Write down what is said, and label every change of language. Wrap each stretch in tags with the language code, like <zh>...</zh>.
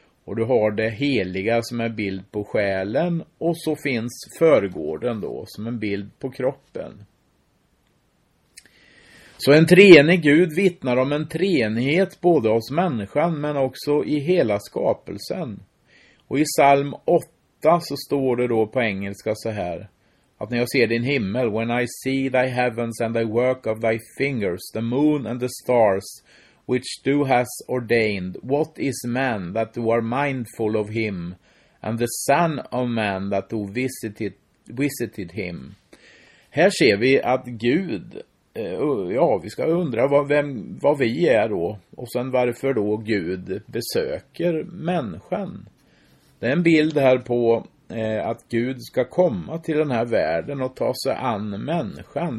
<sv>Och du har det heliga som en bild på själen. Och så finns förgården då som en bild på kroppen. Så en treenig Gud vittnar om en treenighet både hos människan men också i hela skapelsen. Och i psalm 8 så står det då på engelska så här. Att när jag ser din himmel,</sv> <en>when I see thy heavens and the work of thy fingers, the moon and the stars, which thou hast ordained, what is man that thou are mindful of him, and the son of man that thou visited him.</en> <sv>Här ser vi att Gud, ja, vi ska undra vad vi är då, och sen varför då Gud besöker människan. Det är en bild här på att Gud ska komma till den här världen och ta sig an människan.</sv>